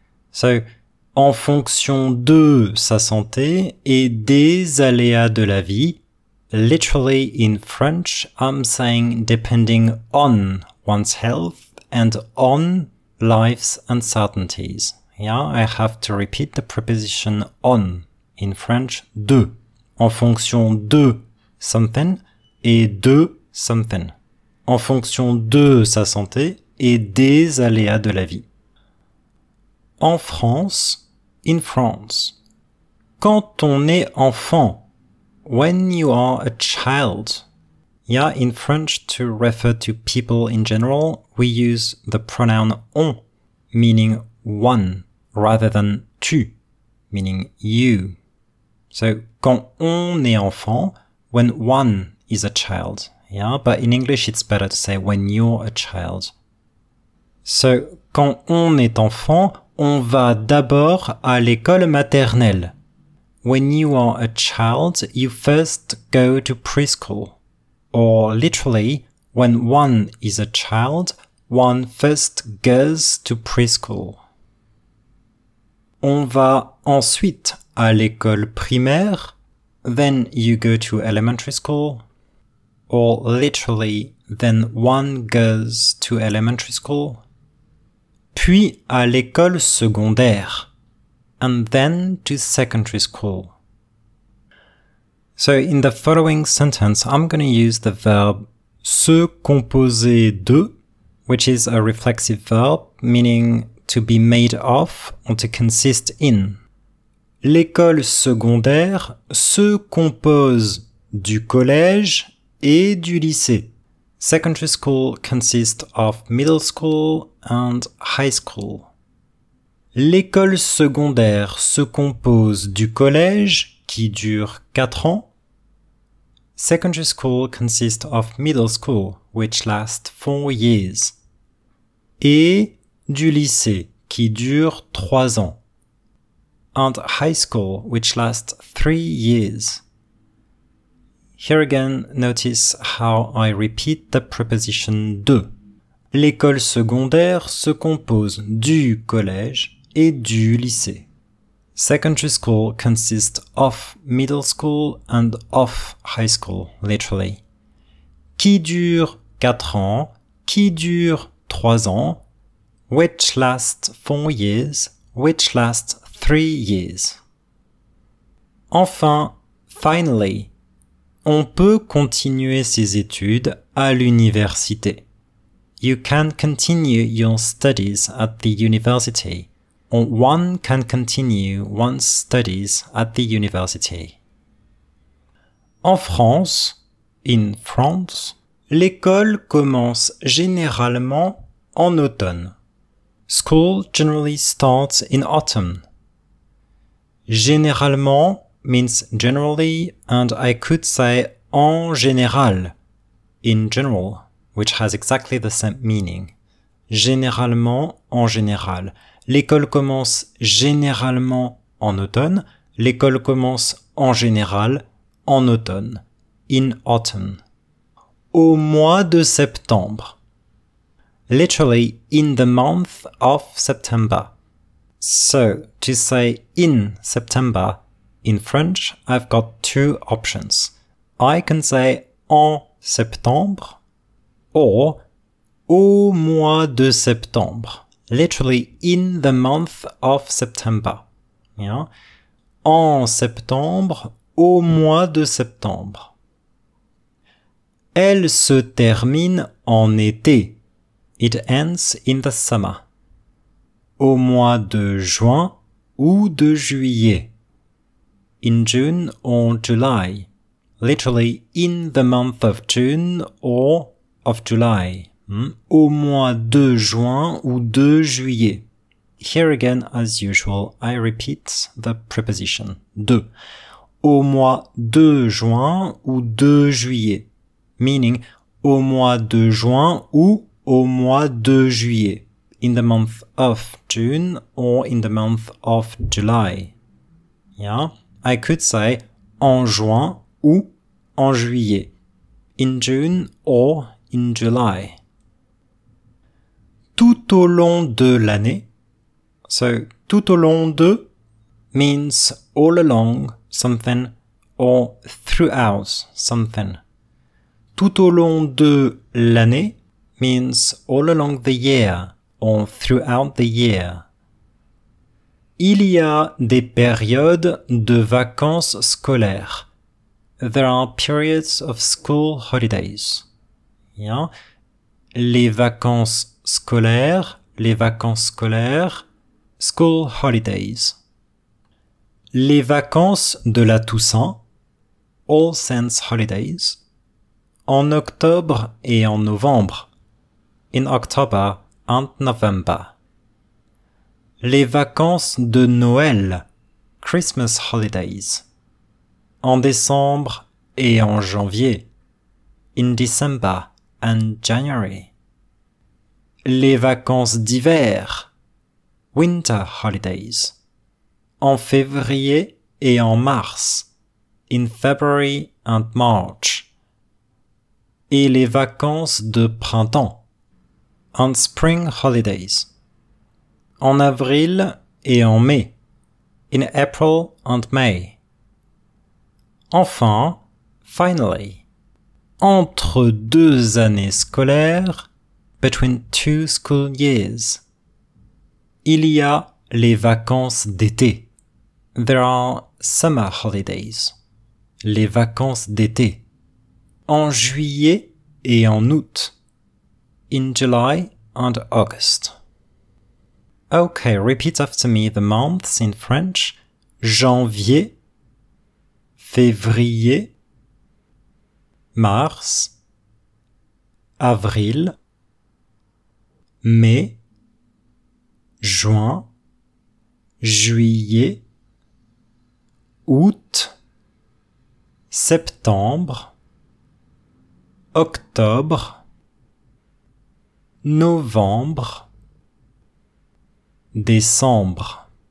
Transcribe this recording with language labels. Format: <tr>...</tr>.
<en>So,</en> <fr>en fonction de sa santé et des aléas de la vie,</fr> <en>literally in French, I'm saying depending on one's health and on life's uncertainties. Yeah, I have to repeat the preposition on in French, de.</en> <fr>En fonction de something et de something. En fonction de sa santé et des aléas de la vie. En France,</fr> <en>in France,</en> <fr>quand on est enfant,</fr> <en>when you are a child. Yeah, in French, to refer to people in general, we use the pronoun on, meaning one, rather than tu, meaning you. So,</en> <fr>quand on est enfant,</fr> <en>when one is a child. Yeah, but in English, it's better to say when you're a child.</en> <fr>So, quand on est enfant, on va d'abord à l'école maternelle.</fr> <en>When you are a child, you first go to preschool. Or literally, when one is a child, one first goes to preschool.</en> <fr>On va ensuite à l'école primaire.</fr> <en>Then you go to elementary school. Or literally, then one goes to elementary school.</en> <fr>Puis à l'école secondaire.</fr> <en>And then to secondary school. So in the following sentence, I'm going to use the verb se composer de, which is a reflexive verb, meaning to be made of or to consist in.</en> <fr>L'école secondaire se compose du collège et du lycée.</fr> <en>Secondary school consists of middle school and high school.</en> <fr>L'école secondaire se compose du collège qui dure 4 ans.</fr> <en>Secondary school consists of middle school, which lasts 4 years.</en> <fr>Et du lycée qui dure 3 ans.</fr> <en>And high school, which lasts 3 years. Here again, notice how I repeat the preposition de.</en> <fr>L'école secondaire se compose du collège et du lycée.</fr> <en>Secondary school consists of middle school and of high school, literally.</en> <fr>Qui dure 4 ans, qui dure 3 ans,</fr> <en>which lasts 4 years, which lasts 3 years.</en> <fr>Enfin,</fr> <en>finally,</en> <fr>on peut continuer ses études à l'université.</fr> <en>You can continue your studies at the university. Or one can continue one's studies at the university. En France, in France, l'école commence généralement en automne. School generally starts in autumn. Généralement means generally, and I could say en général, in general, which has exactly the same meaning.</en> <fr>Généralement, en général. L'école commence généralement en automne. L'école commence en général en automne.</fr> <en>In autumn.</en> <fr>Au mois de septembre.</fr> <en>Literally, in the month of September. So, to say in September, in French, I've got two options. I can say</en> <fr>en septembre</fr> <en>or</en> <fr>au mois de septembre.</fr> <en>Literally, in the month of September. Yeah.</en> <fr>En septembre, au mois de septembre. Elle se termine en été.</fr> <en>It ends in the summer.</en> <fr>Au mois de juin ou de juillet.</fr> <en>In June or July. Literally, in the month of June or of July.</en> <fr>Au mois de juin ou de juillet.</fr> <en>Here again, as usual, I repeat the preposition de.</en> <fr>Au mois de juin ou de juillet.</fr> <en>Meaning,</en> <fr>au mois de juin ou au mois de juillet.</fr> <en>In the month of June or in the month of July. Yeah, I could say</en> <fr>en juin ou en juillet.</fr> <en>In June or in July.</en> <fr>Tout au long de l'année. So, tout au long de</fr> <en>means all along something or throughout something.</en> <fr>Tout au long de l'année</fr> <en>means all along the year or throughout the year.</en> <fr>Il y a des périodes de vacances scolaires.</fr> <en>There are periods of school holidays.</en> <fr>Yeah. Les vacances scolaires, les vacances scolaires,</fr> <en>school holidays.</en> <fr>Les vacances de la Toussaint,</fr> <en>All Saints holidays,</en> <fr>en octobre et en novembre,</fr> <en>in October and November.</en> <fr>Les vacances de Noël,</fr> <en>Christmas holidays,</en> <fr>en décembre et en janvier,</fr> <en>in December and January.</en> <fr>Les vacances d'hiver,</fr> <en>winter holidays,</en> <fr>en février et en mars,</fr> <en>in February and March,</en> <fr>et les vacances de printemps,</fr> <en>and spring holidays,</en> <fr>en avril et en mai,</fr> <en>in April and May.</en> <fr>Enfin,</fr> <en>finally,</en> <fr>entre deux années scolaires,</fr> <en>between two school years.</en> <fr>Il y a les vacances d'été.</fr> <en>There are summer holidays.</en> <fr>Les vacances d'été. En juillet et en août.</fr> <en>In July and August. Okay, repeat after me the months in French.</en> <fr>janvier, février, mars, avril, mai, juin, juillet, août, septembre, octobre, novembre, décembre.</fr>